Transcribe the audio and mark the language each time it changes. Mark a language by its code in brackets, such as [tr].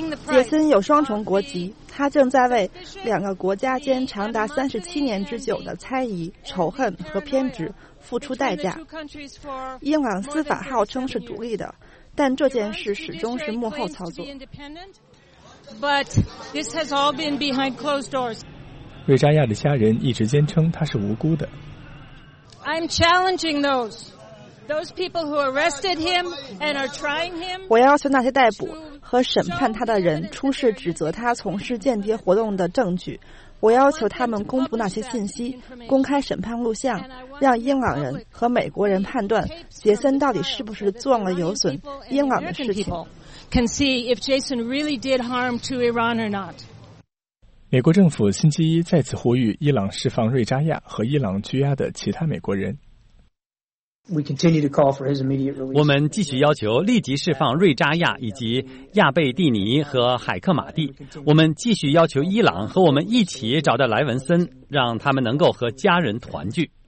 [zh] 杰森有双重国籍，他正在为两个国家间长达37年之久的猜疑、仇恨和偏执付出代价。伊朗司法号称是独立的，但这件事始终是幕后操作。 [en] But this has all been behind closed doors. [zh] 瑞扎亚的家人一直坚称他是无辜的。 [en] I'm challenging those people who arrested him and are trying him. [zh] 我要求那些逮捕和审判他的人出示指责他从事间谍活动的证据，我要求他们公布那些信息，公开审判录像，让伊朗人和美国人判断杰森到底是不是做了有损伊朗的事情。 [en] Jason really did harm to Iran or not. [zh] 美国政府星期一再次呼吁伊朗释放瑞扎亚和伊朗拘押的其他美国人。我们继续要求立即释放瑞扎亚以及亚贝蒂尼和海克马蒂。我们继续要求伊朗和我们一起找到莱文森，让他们能够和家人团聚。